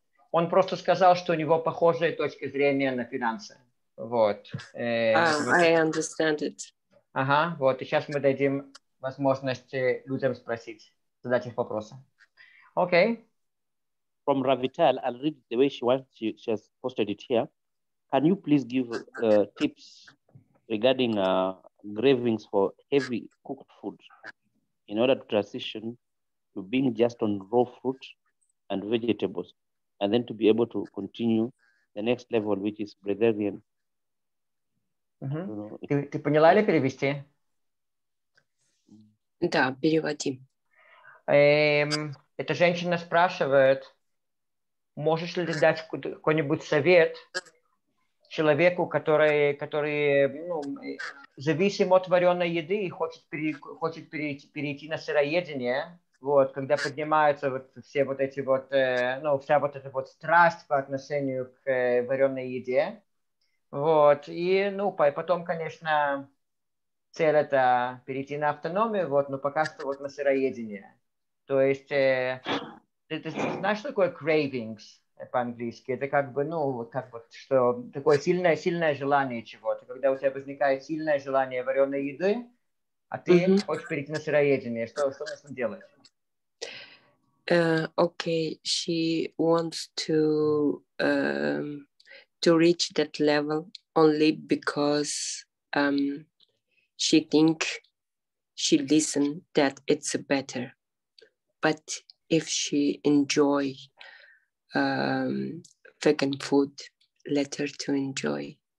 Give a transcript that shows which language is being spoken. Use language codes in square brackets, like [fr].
[ru] он просто сказал, что у него похожие точки зрения на финансы. Вот. [en] I understand it. [ru] Ага, вот. И сейчас мы дадим возможность людям спросить, задать их вопросы. [en] Okay. From Ravital, I'll read the way she wants. She has posted it here. Can you please give tips regarding cravings for heavy cooked food in order to transition to being just on raw fruit and vegetables, and then to be able to continue the next level, which is breatharian. [ru] Ты поняла или перевести? Да, переводим. Эта женщина спрашивает, можешь ли ты дать какой-нибудь совет человеку, который ну, зависим от вареной еды и хочет перейти на сыроедение, вот, когда поднимаются вот все вот эти вот, ну, вся вот эта вот страсть по отношению к вареной еде. Вот, и, ну, потом, конечно, цель это перейти на автономию, вот, но пока что вот на сыроедение. То есть, ты знаешь, что такое cravings по-английски? Это как бы, ну, как вот, что такое сильное желание чего-то. Когда у тебя возникает сильное желание вареной еды, а ты хочешь перейти на сыроедение, что нужно делать? [en] Okay, she wants to reach that level only because she think she listen that it's better. But if she enjoy vegan food, let her to enjoy.